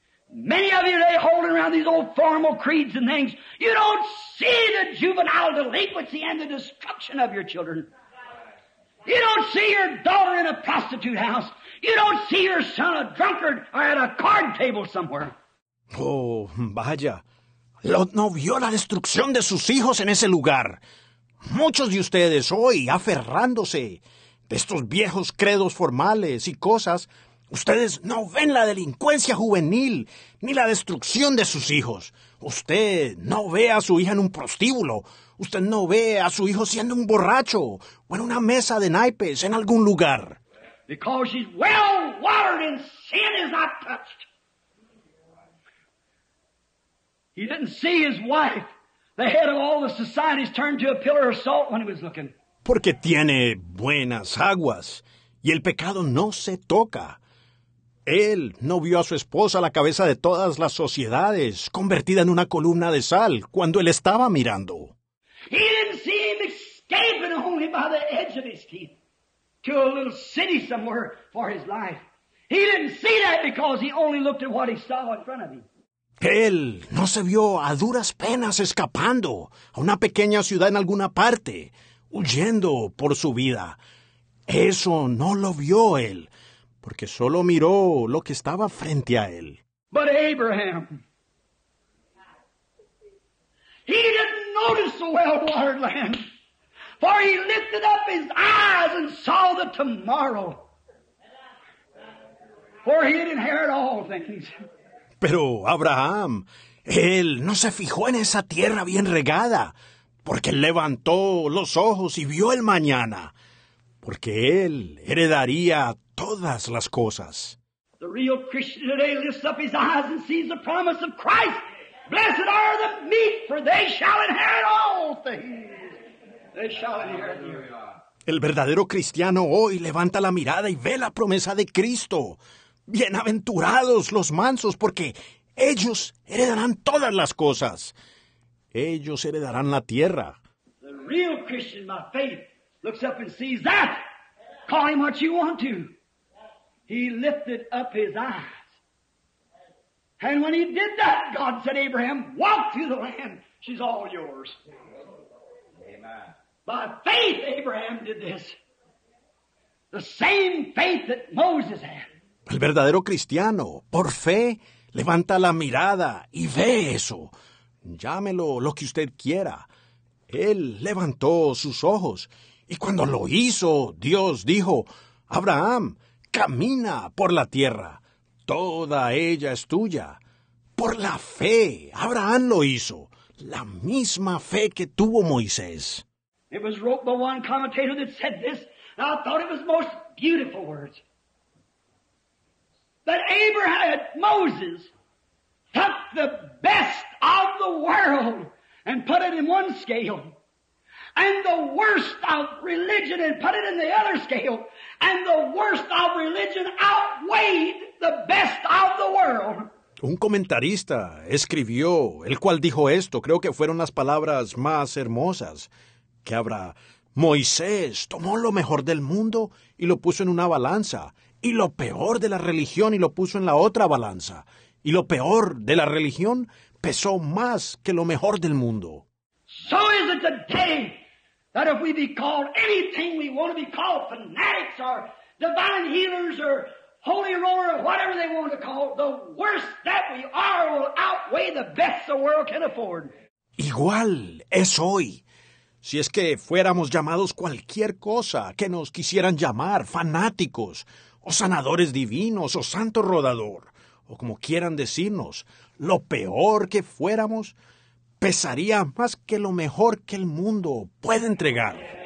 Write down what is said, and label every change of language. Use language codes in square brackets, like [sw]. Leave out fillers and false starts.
[en] Many of you today holding around these old formal creeds and things, you don't see the juvenile delinquency and the destruction of your children. You don't see your daughter in a prostitute house. You don't see your son a drunkard or at a card table somewhere. [es] Oh, vaya. Lot no vio la destrucción de sus hijos en ese lugar. Muchos de ustedes hoy, aferrándose de estos viejos credos formales y cosas, ustedes no ven la delincuencia juvenil ni la destrucción de sus hijos. Usted no ve a su hija en un prostíbulo. Usted no ve a su hijo siendo un borracho o en una mesa de naipes en algún lugar. [en] Because she's well watered and sin is not touched. He didn't see his wife, the head of all the societies, turned to a pillar of salt when he was looking. [es] Porque tiene buenas aguas, y el pecado no se toca. Él no vio a su esposa la cabeza de todas las sociedades, convertida en una columna de sal, cuando él estaba mirando. [en] He didn't see him escaping only by the edge of his teeth, to a little city somewhere for his life. He didn't see that because he only looked at what he saw in front of him. [es] Él no se vio a duras penas escapando a una pequeña ciudad en alguna parte, huyendo por su vida. Eso no lo vio él, porque solo miró lo que estaba frente a él. [en] But Abraham, he didn't notice the well-watered land, for he lifted up his eyes and saw the tomorrow, for he had inherited all things. [es] Pero Abraham, él no se fijó en esa tierra bien regada, porque levantó los ojos y vio el mañana, porque él heredaría todas las cosas. [en] The real Christian today lifts up his eyes and sees the promise of Christ. Blessed are the meek, for they shall inherit all things. They shall inherit the earth. [es] El verdadero cristiano hoy levanta la mirada y ve la promesa de Cristo. Bienaventurados los mansos, porque ellos heredarán todas las cosas. Ellos heredarán la tierra. [en] The real Christian, by faith, looks up and sees that. Call him what you want to. He lifted up his eyes. And when he did that, God said, Abraham, walk through the land. She's all yours. Amen. By faith, Abraham did this. The same faith that Moses had. [es] El verdadero cristiano, por fe, levanta la mirada y ve eso. Llámelo lo que usted quiera. Él levantó sus ojos. Y cuando lo hizo, Dios dijo, Abraham, camina por la tierra. Toda ella es tuya. Por la fe, Abraham lo hizo. La misma fe que tuvo Moisés. [en] It was wrote by one commentator that said this, and I thought it was the most beautiful words. That Abraham, Moses, took the best of the world and put it in one scale, and the worst of religion and put it in the other scale, and the worst of religion outweighed the best of the world. [es] Un comentarista escribió, el cual dijo esto, creo que fueron las palabras más hermosas que habrá. Moisés tomó lo mejor del mundo y lo puso en una balanza, y lo peor de la religión y lo puso en la otra balanza, y lo peor de la religión pesó más que lo mejor del mundo. [en] So is it today that if we be called anything we want to be called, fanatics or divine healers or holy roller, whatever they want to call, the worst that we are will outweigh the best the world can afford. [es] Igual es hoy. Si es que fuéramos llamados cualquier cosa que nos quisieran llamar, fanáticos, o sanadores divinos, o santo rodador, o como quieran decirnos, lo peor que fuéramos pesaría más que lo mejor que el mundo puede entregar.